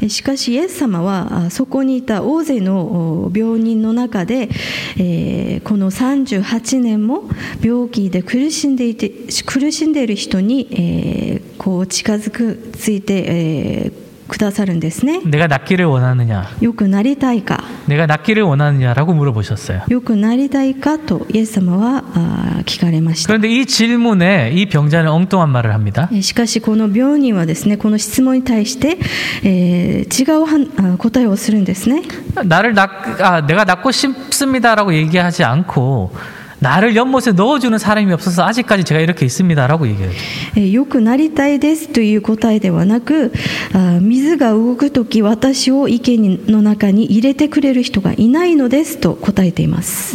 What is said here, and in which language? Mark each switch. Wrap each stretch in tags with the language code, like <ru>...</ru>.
<ja>しかしイエス様はそこにいた大勢の病人の中で、この38年も病気で苦しんでいる人に、こう近づくついて、くださるんですね。</ja> <ko>내가낫기를원하느냐</ko> <ja>よくなりたいか</ja> <ko>내가낫기를원하느냐라고물어보셨어요</ko> <ja>よくなりたいかとイエス様は聞かれました。</ja> <ko>그런데이질문에이병자는엉뚱한말을합니다</ko> <ja>しかしこの病人はですねこの質問に対して違う答えをするんですね。</ja> <ko>내가낫고싶습니다라고얘기하지않고나를연못에넣어주는사람이없어서아직까지제가이렇게있습니다라고얘기해요</ko> <ja>よくなりたいですという答えではなく水が動くとき私を池の中に入れてくれる人がいないのですと答えています。</ja>